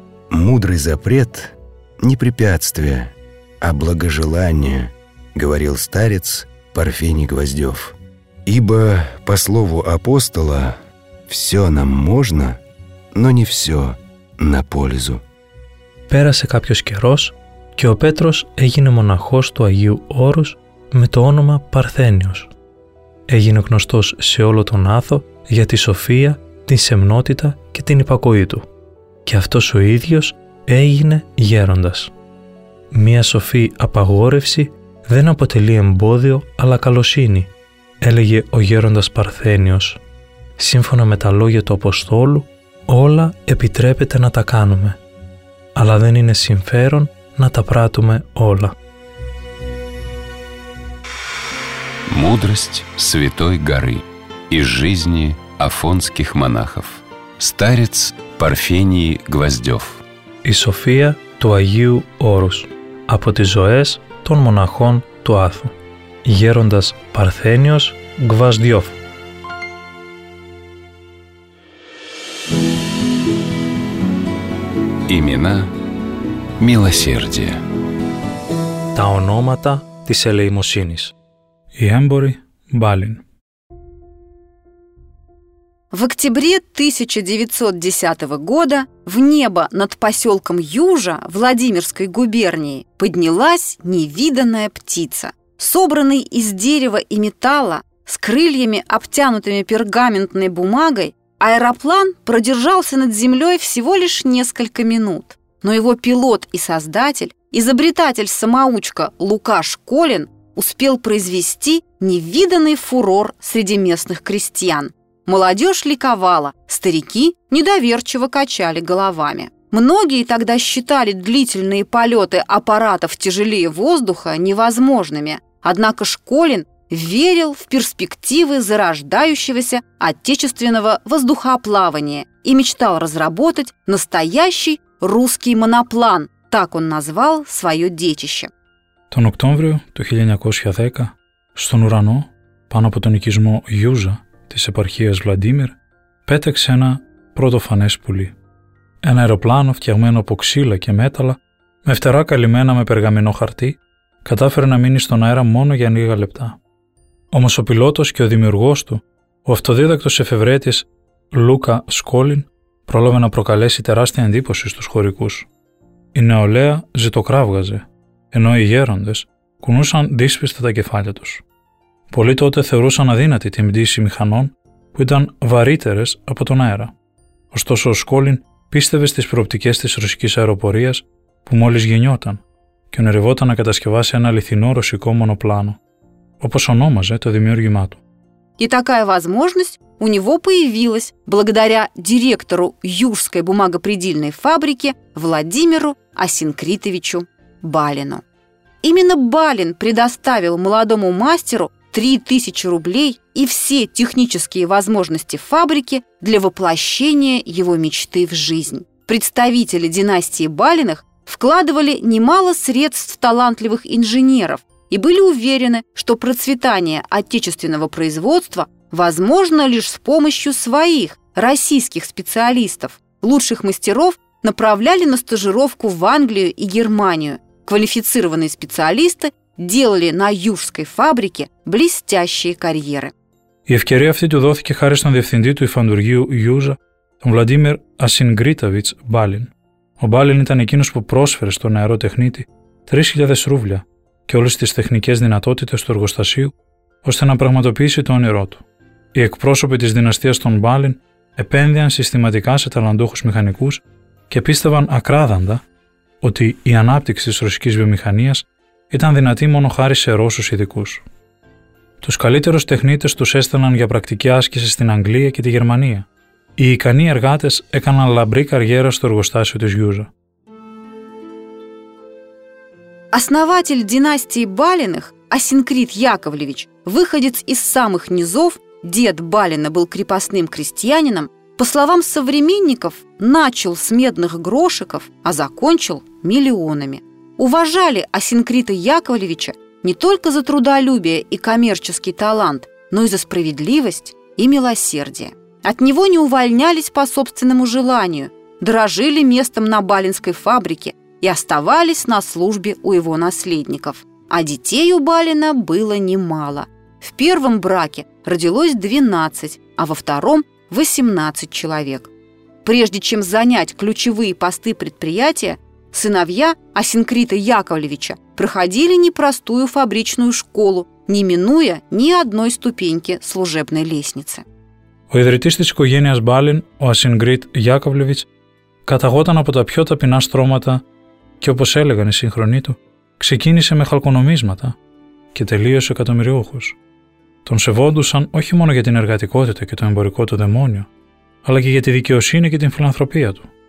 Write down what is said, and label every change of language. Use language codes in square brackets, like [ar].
[ru] «Мудрый запрет — не препятствие, а благожелание», — говорил старец Парфений Гвоздев. «Ибо, по слову апостола, все нам можно, но не все на пользу». [el] Πέρασε κάποιος καιρός και ο Πέτρος έγινε μοναχός του Αγίου Όρους με το όνομα Παρθένιος. Έγινε γνωστός σε όλο τον Άθο για τη σοφία, την σεμνότητα και την υπακοή του. Και αυτός ο ίδιος έγινε γέροντας. Μία σοφή απαγόρευση δεν αποτελεί εμπόδιο αλλά καλοσύνη, έλεγε ο γέροντας Παρθένιος. Σύμφωνα με τα λόγια του Αποστόλου, όλα επιτρέπεται να τα κάνουμε, αλλά δεν είναι συμφέρον να τα πράττουμε όλα. [ru] Мудрость Святой Горы из жизни афонских монахов. Старец Парфений Гвоздев. [el] Η σοφία του Αγίου Όρους από τις ζωές των μοναχών του Άθου. Γέροντας Παρθένιος Γκβασδιόφ. [ru] Имена милосердия. [el] Τα ονόματα της ελεημοσύνης. Οι έμποροι Μπάλιν. [ru] В октябре 1910 года в небо над поселком Южа Владимирской губернии поднялась невиданная птица. Собранный из дерева и металла, с крыльями, обтянутыми пергаментной бумагой, аэроплан продержался над землей всего лишь несколько минут. Но его пилот и создатель, изобретатель-самоучка Лука Школин, успел произвести невиданный фурор среди местных крестьян. Молодежь ликовала, старики недоверчиво качали головами. Многие тогда считали длительные полеты аппаратов тяжелее воздуха невозможными, однако Школин верил в перспективы зарождающегося отечественного воздухоплавания и мечтал разработать настоящий русский моноплан, так он назвал свое детище. [el] Τον Οκτώβριο του 1910, στον ουρανό, πάνω από τον οικισμό Γιούζα, της επαρχίας Βλαντίμιρ, πέταξε ένα πρωτοφανές πουλί. Ένα αεροπλάνο φτιαγμένο από ξύλα και μέταλλα, με φτερά καλυμμένα με περγαμινό χαρτί, κατάφερε να μείνει στον αέρα μόνο για λίγα λεπτά. Όμως ο πιλότος και ο δημιουργός του, ο αυτοδίδακτος εφευρέτης Λούκα Σκόλιν, πρόλαβε να προκαλέσει τεράστια εντύπωση στους χωρικούς. Η νεολαία ζητοκράβγαζε, ενώ οι γέροντες κουνούσαν δύσπιστα τα κεφάλια τους. Πολλοί τότε θεωρούσαν αδύνατη την πτήση μηχανών που ήταν βαρύτερες από τον αέρα. Ωστόσο ο Σκόλιν πίστευε στις προοπτικές της ρωσικής αεροπορίας που μόλις γεννιόταν και ονειρευόταν να κατασκευάσει ένα αληθινό ρωσικό μονοπλάνο, όπως ονόμαζε το δημιούργημά του. [ru] И такая возможность у него появилась благодаря директору Южской бумагопредельной фабрики Владимиру Асинкритовичу Балину. Именно Балин предоставил молодому мастеру 3000 рублей и все технические возможности фабрики для воплощения его мечты в жизнь. представители династии Балиных вкладывали немало средств талантливых инженеров и были уверены, что процветание отечественного производства возможно лишь с помощью своих, российских специалистов. Лучших мастеров направляли на стажировку в Англию и Германию. Квалифицированные специалисты делали на Южской фабрике блестящие карьеры. [el] Η ευκαιρία αυτή του δόθηκε χάρη στον διευθυντή του υφαντουργείου Ιούζα, τον Βλαντίμιρ Ασινγκρίταβιτς Μπάλιν. Ο Μπάλιν ήταν εκείνος που πρόσφερε στον νεαρό τεχνίτη 3.000 ρούβλια και όλες τις τεχνικές δυνατότητες του εργοστασίου, ώστε να πραγματοποιήσει το όνειρό του. Οι εκπρόσωποι της δυναστείας των Μπάλιν επένδυαν συστηματικά σε ταλαντούχους μηχανικούς και πίστευαν ακράδαντα ότι η ανάπτυξη της ρωσικής βιομηχανίας ήταν δυνατή μόνο χάρη σε Ρώσους ειδικούς. Τους καλύτερους τεχνίτες τους έστελναν για πρακτική άσκηση στην Αγγλία και τη Γερμανία. Οι ικανοί εργάτες έκαναν λαμπρή καριέρα στο εργοστάσιο της Γιούζα. [ru] Основатель династии Балиных, Асинкрит Яковлевич, выходец из самых низов, дед Балина был крепостным крестьянином, по словам современников, начал с медных грошиков, а закончил миллионами. Уважали Асинкрита Яковлевича не только за трудолюбие и коммерческий талант, но и за справедливость и милосердие. От него не увольнялись по собственному желанию, дорожили местом на Балинской фабрике и оставались на службе у его наследников. А детей у Балина было немало. В первом браке родилось 12, а во втором – 18 человек. Прежде чем занять ключевые посты предприятия, сыновья Асинкрита Яковлевича проходили непростую фабричную школу, не минуя ни одной ступеньки служебной лестницы. [el] Ο ιδρυτής της οικογένειας Μπάλιν, ο Ασινγκρίτ Γιάκοβλεβιτς, καταγόταν από τα πιο ταπεινά στρώματα και, όπως έλεγαν οι σύγχρονοί του, ξεκίνησε με χαλκονομίσματα και τελείωσε εκατομμυριούχος. Τον σεβόντουσαν όχι μόνο για την εργατικότητα και το εμπορικό του δαιμόνιο, αλλά και για τη δικαιοσύνη και την φιλανθρωπία του.